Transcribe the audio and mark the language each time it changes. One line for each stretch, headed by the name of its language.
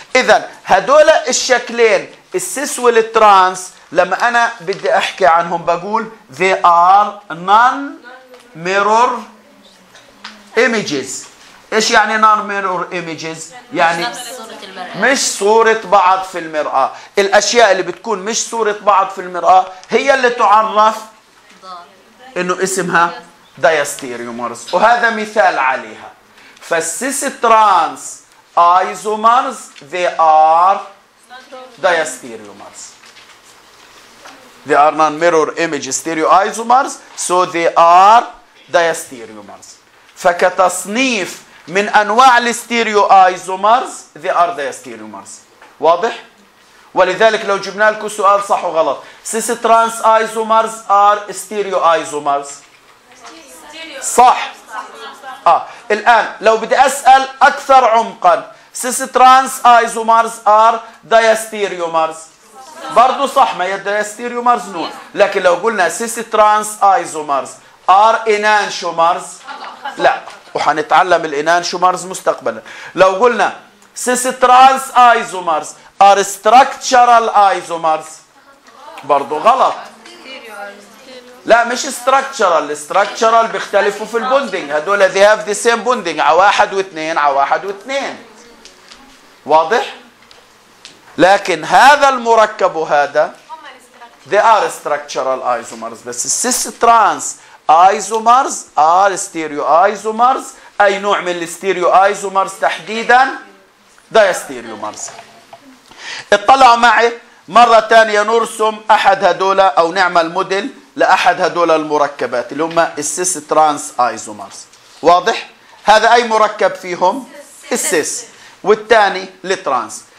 Arabic: إذا هدول الشكلين السيس والترانس لما أنا بدي أحكي عنهم بقول
English: they are non mirror images.
Arabic: إيش يعني
English: non mirror images؟
Arabic: يعني مش صورة بعض في المرأة. الأشياء اللي بتكون مش صورة بعض في المرأة هي اللي تعرف إنه اسمها diastereomers، وهذا مثال عليها.
English: فالسيس trans isomers they are diastereomers. They are non-mirror image stereoisomers, so they are diastereomers.
Arabic: فكتصنيف من أنواع الستيريوآيزومرز
English: they are diastereomers.
Arabic: واضح؟ ولذلك لو جبنا لكم سؤال صح وغلط،
English: cis trans isomers are stereoisomers.
Arabic: صح. الآن لو بدي أسأل أكثر عمقاً،
English: cis trans isomers are diastereomers.
Arabic: برضو صح، ما هي الدايستيريومرز نوع، لكن لو قلنا
English: cis trans isomers are enantiomers
Arabic: لا، وحنتعلم الانانشومرز مستقبلا. لو قلنا
English: cis trans isomers are structural isomers
Arabic: برضو غلط. لا مش ستراكتشرال، الستراكتشرال بيختلفوا في البوندينج، هذول
English: they have the same bonding
Arabic: على واحد واثنين على واحد واثنين. واضح؟ لكن هذا المركب وهذا
English: they are structural isomers،
Arabic: بس
English: cis trans isomers are stereo isomers.
Arabic: أي نوع من الستيريو isomers تحديدا؟ diastereomers. اطلعوا معي مرة تانية نرسم أحد هدول أو نعمل موديل لأحد هدول المركبات اللي هم cis trans isomers. واضح؟ هذا أي مركب فيهم؟ cis والتاني الترانس.